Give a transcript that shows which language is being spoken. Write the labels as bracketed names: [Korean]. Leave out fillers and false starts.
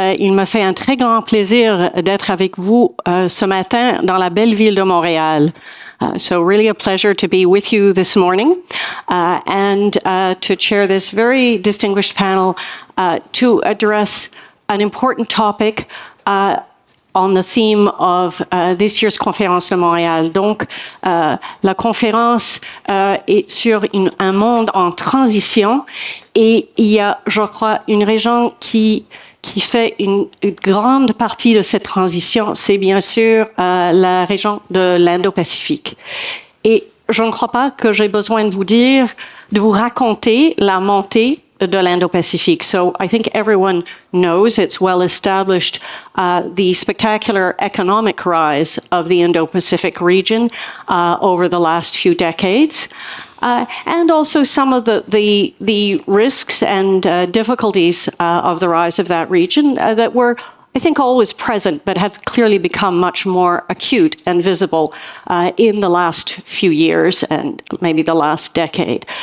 [French] Il me fait un très grand plaisir d'être avec vous ce matin dans la belle ville de Montréal. [English] So really a pleasure to be with you this morning and to chair this very distinguished panel to address an important topic on the theme of this year's conference de Montréal. [French] Donc, la conférence est sur un monde en transition et il y a, je crois, une région qui fait une grande partie de cette transition, c'est bien sûr la région de l'Indo-Pacifique. Et je ne crois pas que j'ai besoin de vous dire, de vous raconter la montée de l'Indo-Pacifique. [English] So I think everyone knows, it's well established, the spectacular economic rise of the Indo-Pacific region over the last few decades, and also some of the risks and difficulties of the rise of that region that were, I think, always present, but have clearly become much more acute and visible in the last few years and maybe the last decade.